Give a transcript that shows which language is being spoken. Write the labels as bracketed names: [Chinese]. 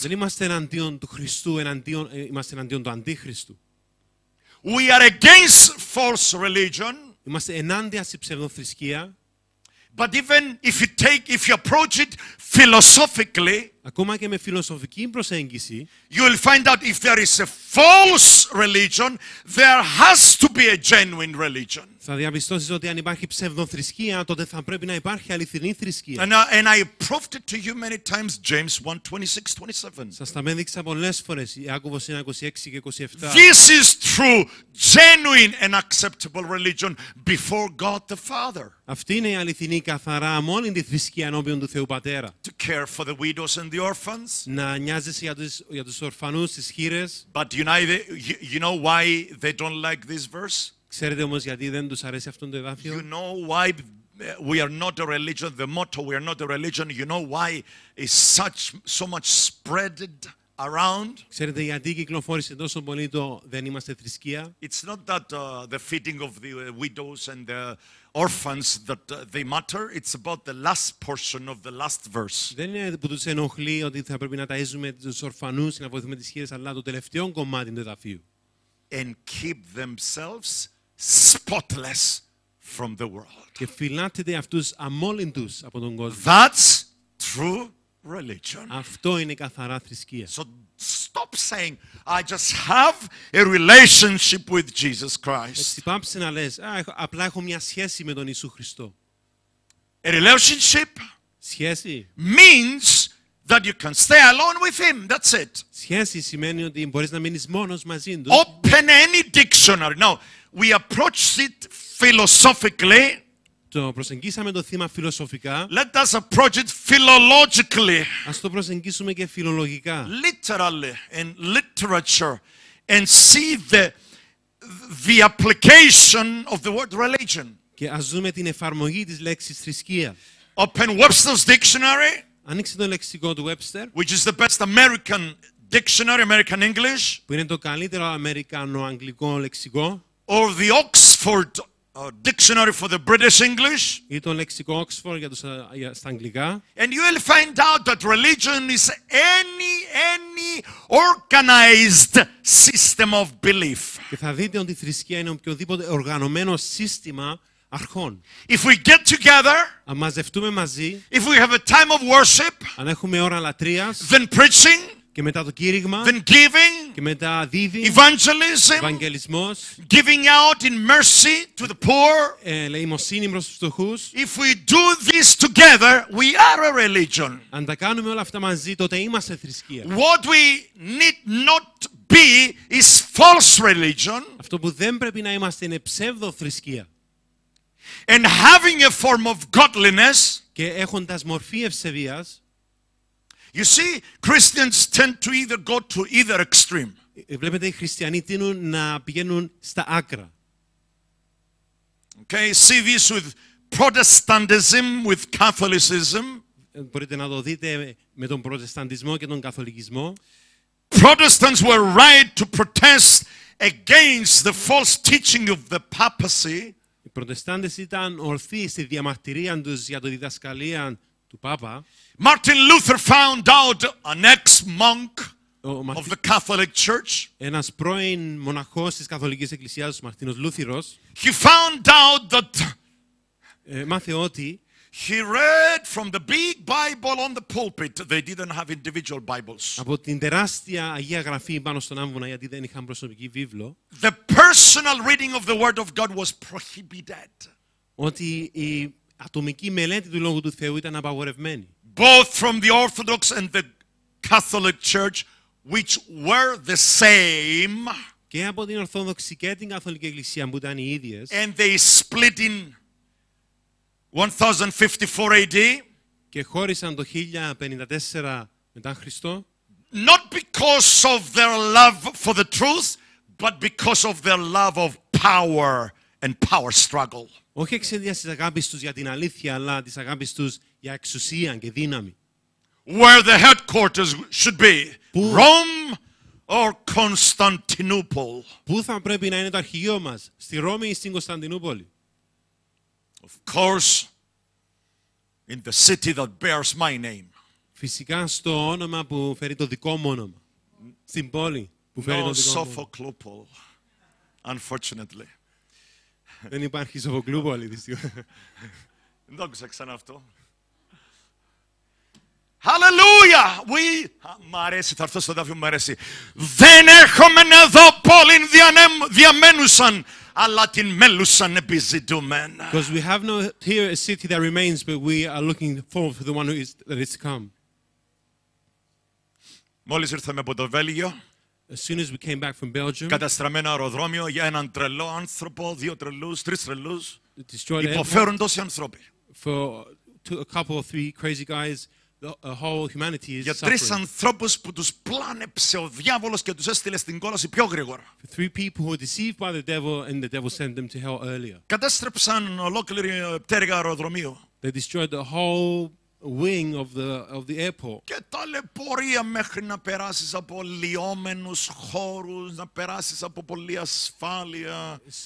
[Greek] Δεν είμαστε εναντίον του Χριστού, είμαστε εναντίον του Αντίχριστου. [English] We are against false religion. [Greek] Είμαστε ενάντια στη ψευδοθρησκεία. [English] But even if you approach it philosophically, [Greek] ακόμα και με φιλοσοφική προσέγγιση, [English] you will find out if there is a false religion, there has to be a genuine religion. [Greek] Θα διαπιστώσεις ότι αν υπάρχει ψευδοθρησκεία, τότε θα πρέπει να υπάρχει αληθινή θρησκεία. [English] And I proved it to you many times, James 1:26-27. [Greek] Σας τα έδειξα πολλές φορές, Ιάκωβος 1:26-27. [English] This is true, genuine and acceptable religion before God the Father. [Greek] Αυτή είναι η αληθινή, καθαρά, αμόλυντη θρησκεία ενώπιον του Θεού Πατέρα. [English] To care for the widows and the orphans. [Greek] Να νοιάζεσαι για τους ορφανούς, τις χείρες. [English] But you know why they don't like this verse? [Greek] Ξέρετε όμως γιατί δεν τους αρέσει αυτό το εδάφιο; [English] You know why we are not a religion, the motto we are not a religion, you know why is such so much spread around; [Greek] Ξέρετε γιατί κυκλοφόρησε τόσο πολύ το δεν είμαστε θρησκεία; [English] It's not that the feeding of the widows and the orphans that they matter, it's about the last portion of the last verse. [Greek] Δεν είναι που τους ενοχλεί ότι θα πρέπει να ταΐζουμε τους ορφανούς και να βοηθούμε τις χείρες, αλλά το τελευταίο κομμάτι του εδαφίου. [English] And keep themselves spotless from the world. [Greek] Και φυλάτε αυτούς αμόλυντους από τον κόσμο. [English] That's true religion. [Greek] Αυτό είναι καθαρά θρησκεία. [English] So stop saying, I just have a relationship with Jesus Christ. [Greek] Έτσι πάψε να λες, απλά έχω μια σχέση με τον Ιησού Χριστό. [English] A relationship [Greek] σχέση [English] means that you can stay alone with him, that's it. [Greek] Σχέση σημαίνει ότι μπορείς να μείνεις μόνος μαζί του. [English] Open any dictionary. Now, we approach it philosophically. [Greek] Το προσεγγίσαμε το θέμα φιλοσοφικά. [English] Let us approach it philologically. [Greek] Ας το προσεγγίσουμε και φιλολογικά. [English] Literally, in literature, and see the application of the word religion. [Greek] Και ας δούμε την εφαρμογή της λέξης θρησκεία. [English] Open Webster's dictionary. [Greek] Ανοίξτε το λεξικό του Webster, [English] which is the best American dictionary, American English, [Greek] που είναι το καλύτερο αμερικανο-αγγλικό λεξικό, [English] or the Oxford dictionary for the British English, [Greek] ή το λεξικό Oxford για στα αγγλικά, [English] and you will find out that religion is any organized system of belief. [Greek] Και θα δείτε ότι η θρησκεία είναι οποιοδήποτε οργανωμένο σύστημα. [English] If we get together, [Greek] αν μαζευτούμε μαζί, [English] if we have a time of worship, [Greek] αν έχουμε ώρα λατρείας, [English] then preaching, [Greek] και μετά το κήρυγμα, [English] then giving, [Greek] και μετά δίδυμα, [English] evangelism, [Greek] ευαγγελισμός, [English] giving out in mercy to the poor, [Greek] ελεημοσύνη προς τους φτωχούς, [English] if we do this together, we are a religion. [Greek] Αν τα κάνουμε όλα αυτά μαζί, τότε είμαστε θρησκεία. [English] What we need not be is false religion. [Greek] Αυτό που δεν πρέπει να είμαστε είναι ψευδοθρησκεία. [English] And having a form of godliness, [Greek] και έχοντας μορφή ευσεβίας, [English] you see, Christians tend to either go to either extreme. [Greek] Βλέπετε, οι χριστιανοί τείνουν να πηγαίνουν στα άκρα. [English] Okay, see this with Protestantism, with Catholicism. [Greek] Μπορείτε να το δείτε με τον Προτεσταντισμό και τον Καθολικισμό. [English] Protestants were right to protest against the false teaching of the papacy. [Greek] Οι Προτεστάντες ήταν ορθοί στη διαμαρτυρία τους για τη διδασκαλία του Πάπα. [English] Martin Luther found out an ex-monk of the Catholic Church. [Greek] Ένας πρώην μοναχός της Καθολικής Εκκλησίας, ο Μαρτίνος Λούθυρος. [English] He found out that. [Greek] Μάθε ότι. [English] He read from the big Bible on the pulpit. They didn't have individual Bibles. [Greek] Από την τεράστια Αγία Γραφή πάνω στον άμβονα, γιατί δεν είχαν προσωπική βίβλο. [English] The personal reading of the Word of God was prohibited. [Greek] Ότι η ατομική μελέτη του Λόγου του Θεού ήταν απαγορευμένη. [English] Both from the Orthodox and the Catholic Church, which were the same. [Greek] Και από την Ορθόδοξη και την Καθολική Εκκλησία που ήταν οι ίδιες. [English] And they split in 1054 AD, [Greek] και χώρισαν το 1054 μετά Χριστό. [English] Not because of their love for the truth, but because of their love of power and power struggle. [Greek] Όχι εξαιτίας της αγάπης τους για την αλήθεια, αλλά της αγάπης τους για εξουσία και δύναμη. [English] Where the headquarters should be, Rome or Constantinople. [Greek] Πού θα πρέπει να είναι το αρχηγείο μας, στη Ρώμη ή στην Κωνσταντινούπολη; [English] Of course, in the city that bears my name. [Greek] Φυσικά στο όνομα που φέρει το δικό μου όνομα. Στην πόλη που φέρει το δικό μου. [English] Σοφοκλούπολ, unfortunately. [Greek] Δεν υπάρχει Σοφοκλούπολη, δυστυχώς. Δεν ξέξανε αυτό. [English] Hallelujah! [Greek] Μ' αρέσει, θα έρθω στο δάφιο, μ' αρέσει. Δεν έχουμε εδώ πόλην διαμένουσαν, αλλά την μέλουσαν επιζητούμεν. [English] Because we have not here a city that remains, but we are looking forward for the one that is to come. [Greek] Μόλις ήρθαμε από το Βέλγιο, [English] as soon as we came back from Belgium, [Greek] καταστραμμένο αεροδρόμιο για έναν τρελό άνθρωπο, δύο τρελούς, τρεις τρελούς, υποφέρουν τόσοι άνθρωποι. [English] For a couple or three crazy guys, the whole humanity is [Greek] για τρεις ανθρώπους που τους πλάνεψε ο διάβολος και τους έστειλε στην κόλαση πιο γρήγορα. [English] For three people who were deceived by the devil and the devil sent them to hell earlier. [Greek] Κατέστρεψαν ολόκληρη πτέρυγα αεροδρομίου. [English] They destroyed the whole wing of the airport. [Greek] Και ταλαιπωρία μέχρι να περάσεις από λιόμενους χώρους, να περάσεις από πολλή ασφάλεια.